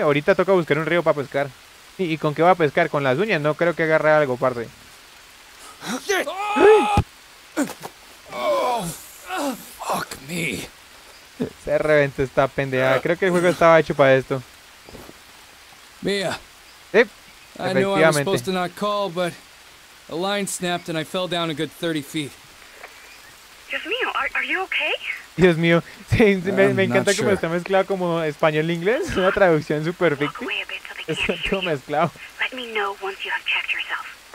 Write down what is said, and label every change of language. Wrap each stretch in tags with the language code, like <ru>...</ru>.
<es>Ahorita toca buscar un río para pescar. ¿Y con qué va a pescar? Con las uñas, no creo que agarre algo, parte.</es> <en>Fuck me.</en> <es>Se reventó esta pendejada. Creo que el juego estaba hecho para esto. Mía. ¿Sí?</es> <en>I knew I was supposed to not call, but a line snapped and I fell down a good 30 feet.</en> <es>Dios mío,</es> <en>are you okay?</en> <es>Dios mío, sí, me encanta cómo está mezclado como español-inglés, una traducción super ficti. Está todo mezclado.</es> <en>Let me know once you have checked yourself.</en>